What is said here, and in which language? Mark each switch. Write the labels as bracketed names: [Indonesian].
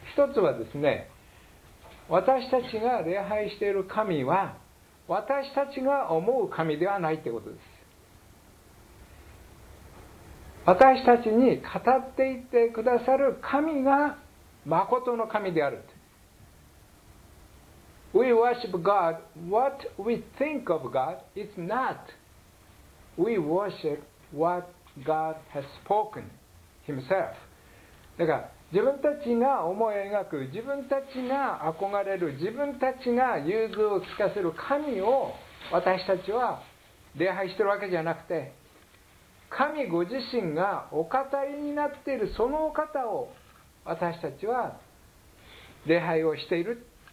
[Japanese] 1つはですね、私たちが礼拝している神は私たちが思う神ではないということです。私たちに語っていてくださる神が真の神である。 [English] We worship God what we think of God is not We worship what God has spoken himself。 [Japanese] だから自分たちが思い描く、自分たちが憧れる、自分たちが融通を聞かせる神を私たちは礼拝してるわけじゃなくて、神ご自身がお語りになっているそのお方を私たちは礼拝をしている。